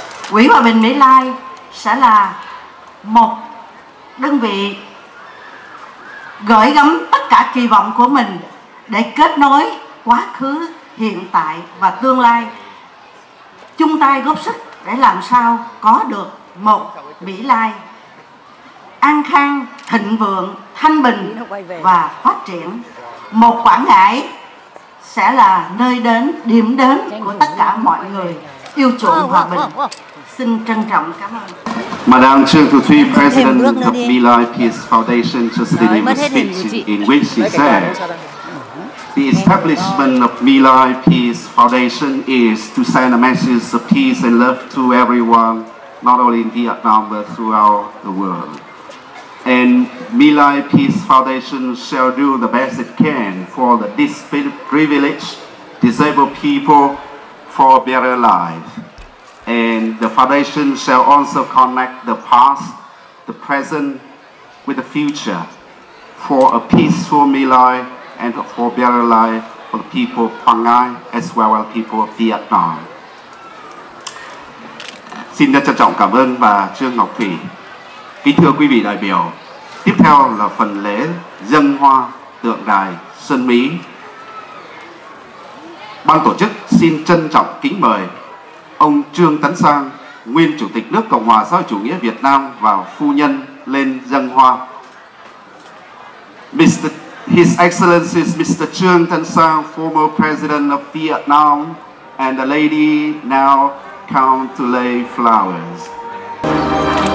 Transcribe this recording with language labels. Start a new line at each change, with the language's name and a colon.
Vietnamese: Quỹ Hòa Bình Mỹ Lai sẽ là một đơn vị gửi gắm tất cả kỳ vọng của mình để kết nối quá khứ, hiện tại và tương lai, chung tay góp sức để làm sao có được một Mỹ Lai an khang, thịnh vượng, thanh bình và phát triển. Một Quảng Ngãi sẽ là nơi đến, điểm đến của tất cả mọi người yêu chuộng hòa bình. Xin trân trọng cảm ơn.
English: Madam Trương Thu Thuy, President of Mỹ Lai Peace Foundation, just delivered a speech in which she said, "The establishment of Mỹ Lai Peace Foundation is to send a message of peace and love to everyone, not only in Vietnam but throughout the world. And Mỹ Lai Peace Foundation shall do the best it can for the disprivileged, disabled people for a better life. And the foundation shall also connect the past, the present, with the future for a peaceful Mỹ Lai and for better life for the people of Quảng Ngãi as well as people of Vietnam."
Vietnamese: Xin trân trọng cảm ơn bà Trương Ngọc Thủy. Kính thưa quý vị đại biểu, tiếp theo là phần lễ dâng hoa tượng đài Sơn Mỹ. Ban tổ chức xin trân trọng kính mời ông Trương Tấn Sang, nguyên chủ tịch nước Cộng hòa xã hội chủ nghĩa Việt Nam và phu nhân lên dâng hoa.
English: His Excellency Mr. Trương Tấn Sang, former President of Vietnam, and the lady now come to lay flowers.